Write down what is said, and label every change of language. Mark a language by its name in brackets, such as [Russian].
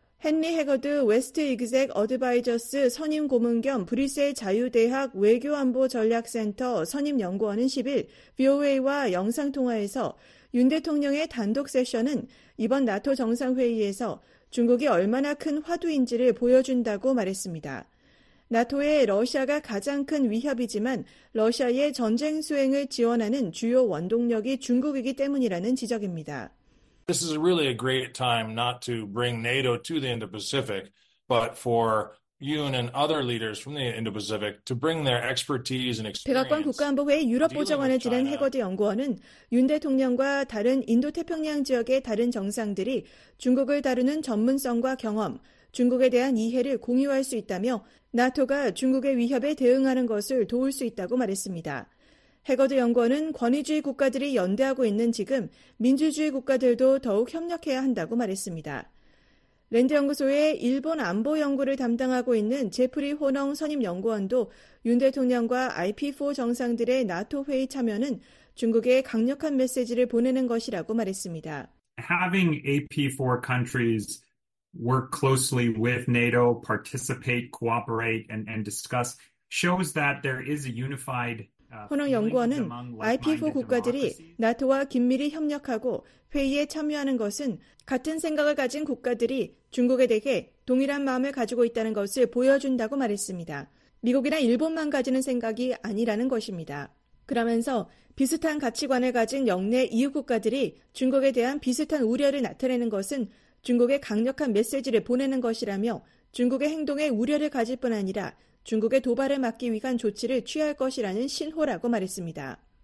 [Korean] 헨리 해거드 웨스트 이그잭 어드바이저스 선임 고문 겸 브뤼셀 자유대학 외교안보전략센터 선임연구원은 10일 VOA와 영상통화에서 윤 대통령의 단독 세션은 이번 나토 정상회의에서 중국이 얼마나 큰 화두인지를 보여준다고 말했습니다. 나토의 러시아가 가장 큰 위협이지만 러시아의 전쟁 수행을 지원하는 주요 원동력이 중국이기 때문이라는 지적입니다. [English] This is really a great time not to bring NATO to the Indo-Pacific, but for Yoon and other leaders from the Indo-Pacific to bring their expertise and experience. [Korean] 백악관 국가안보회 유럽보좌관을 지낸 해거드 연구원은 윤 대통령과 다른 인도태평양 지역의 다른 정상들이 중국을 다루는 전문성과 경험, 중국에 대한 이해를 공유할 수 있다며 나토가 중국의 위협에 대응하는 것을 도울 수 있다고 말했습니다. 해거드 연구원은 권위주의 국가들이 연대하고 있는 지금 민주주의 국가들도 더욱 협력해야 한다고 말했습니다. 랜드 연구소의 일본 안보 연구를 담당하고 있는 제프리 호농 선임 연구원도 윤 대통령과 IP4 정상들의 나토 회의 참여는 중국에 강력한 메시지를 보내는 것이라고 말했습니다. [English] Having AP4 countries work closely with NATO, participate, cooperate and discuss shows that there is a unified [Korean] 호농 연구원은 IP4 국가들이 나토와 긴밀히 협력하고 회의에 참여하는 것은 같은 생각을 가진 국가들이 중국에 대해 동일한 마음을 가지고 있다는 것을 보여준다고 말했습니다. 미국이나 일본만 가지는 생각이 아니라는 것입니다. 그러면서 비슷한 가치관을 가진 역내 이웃 국가들이 중국에 대한 비슷한 우려를 나타내는 것은 중국에 강력한 메시지를 보내는 것이라며 중국의 행동에 우려를 가질 뿐 아니라 중국의 도발을 막기 위한 조치를 취할 것이라는 신호라고 말했습니다.